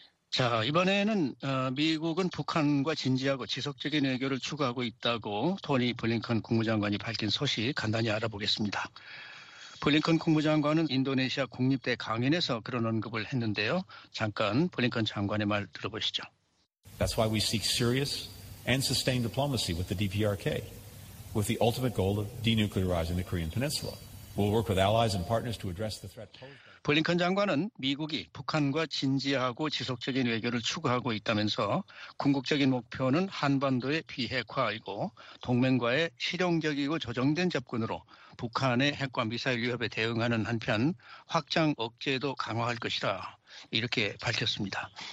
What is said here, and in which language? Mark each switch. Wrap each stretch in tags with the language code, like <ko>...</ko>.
<ko>자, 이번에는 미국은 북한과 진지하고 지속적인 외교를 추구하고 있다고 토니 블링컨 국무장관이 밝힌 소식 간단히 알아보겠습니다. 블링컨 국무장관은 인도네시아 국립대 강연에서 그런 언급을 했는데요. 잠깐 블링컨 장관의 말 들어보시죠.</ko> <en>That's why we seek serious and sustained diplomacy with the DPRK, with the ultimate goal of denuclearizing the Korean Peninsula. We'll work with allies and partners to address the threat posed.</en> <ko>블링컨 장관은 미국이 북한과 진지하고 지속적인 외교를 추구하고 있다면서 궁극적인 목표는 한반도의 비핵화이고 동맹과의 실용적이고 조정된 접근으로 북한의 핵과 미사일 위협에 대응하는 한편 확장 억제도 강화할 것이라 이렇게 밝혔습니다.</ko>